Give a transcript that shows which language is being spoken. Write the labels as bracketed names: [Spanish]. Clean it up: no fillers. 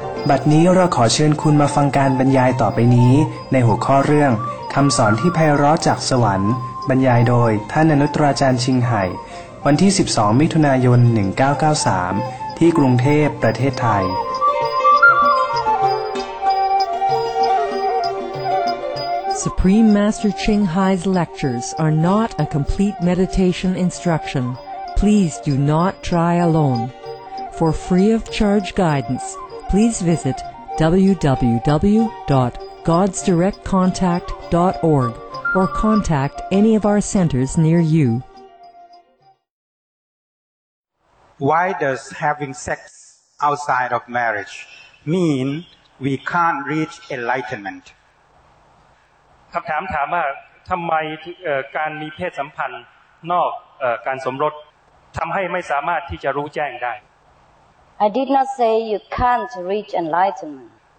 [Thai] บัดนี้เราขอเชิญคุณมาฟังการบรรยายต่อไปนี้ในหัวข้อเรื่องคำสอนที่ไพเราะจากสวรรค์บรรยายโดยท่านอนุตราจารย์ชิงไห่วันที่12มิถุนายน1993ที่กรุงเทพประเทศไทย [English] Supreme Master Ching Hai's lectures are not a complete meditation instruction. Please do not try alone. For free of charge guidance, please visit www.godsdirectcontact.org or contact any of our centers near you. Why does having sex outside of marriage mean we can't reach enlightenment? [Thai] คำถามถามว่าทำไมการมีเพศสัมพันธ์นอกการสมรสทำให้ไม่สามารถที่จะรู้แจ้งได้ [English] I did not say you can't reach enlightenment